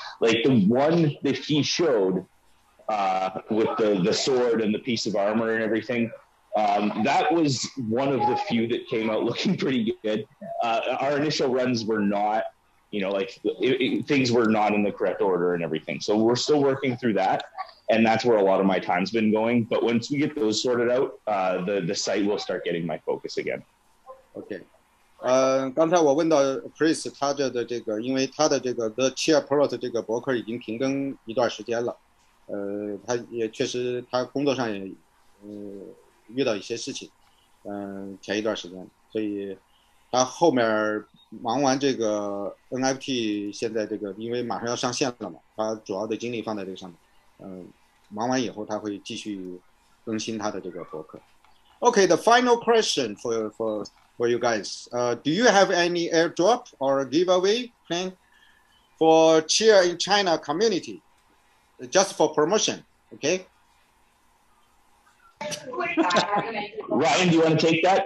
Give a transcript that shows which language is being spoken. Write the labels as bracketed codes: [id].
[en] Like the one that he showed with the sword and the piece of armor and everything, that was one of the few that came out looking pretty good. Our initial runs were not, you know, like things were not in the correct order and everything. So we're still working through that. And that's where a lot of my time's been going. But once we get those sorted out, the site will start getting my focus again. [zh] OK, 刚才我问到 Chris 他的这个，因为他的这个 The Chia Pro 的这个博客已经停更一段时间了，他也确实他工作上也遇到一些事情，前一段时间，所以他后面忙完这个 NFT， 现在这个因为马上要上线了嘛，他主要的精力放在这个上面，忙完以后他会继续更新他的这个博客。 [en] OK, the final question for you guys, do you have any airdrop or giveaway plan for Chia in China community, just for promotion? Okay. Ryan, do you want to take that?